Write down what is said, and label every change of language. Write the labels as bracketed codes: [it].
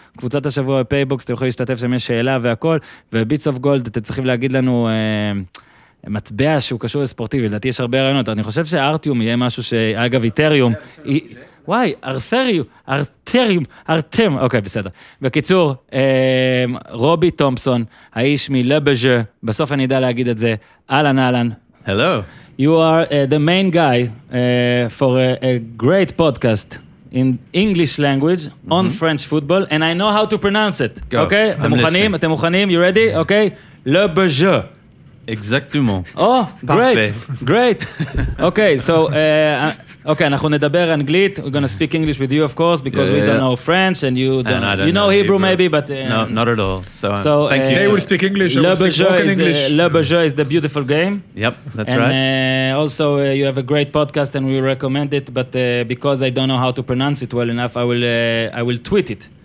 [he] קבוצת השבוע בפייבוקס, אתם יכולים להשתתף שם, יש שאלה והכל, ובביץ אוף גולד, אתם צריכים להגיד לנו, מטבע שהוא קשור לספורטיבי, לדעתי יש הרבה רעיונות. אני חושב שארטיום יהיה משהו ש... אגב, איתריום, וואי, ארתריום, ארתריום, ארתם. אוקיי, בסדר. בקיצור, רובי תומפסון, האיש מלבז'ה, בסוף אני יודע להגיד את זה, אלן, אלן. [en] Hello. You are the main guy for a great podcast in English language on French football, and I know how to pronounce it. Go. [he] אוקיי, אתם מוכנים? אתם מוכנים? [en] You ready? [he] אוקיי? לבז'ה. [fr] Exactement. [en] Oh, great, great. Okay, so, okay, [he] אנחנו נדבר אנגלית. [en] We're going to speak English with you, of course, because we don't know French, and you don't, and don't you know Hebrew, maybe, but... no, not at all. So thank you. They will speak English. I will speak broken English. Le Bourgeois is the beautiful game. Yep, that's and, right. And also, you have a great podcast, and we recommend it, but because I don't know how to pronounce it well enough, I will tweet it.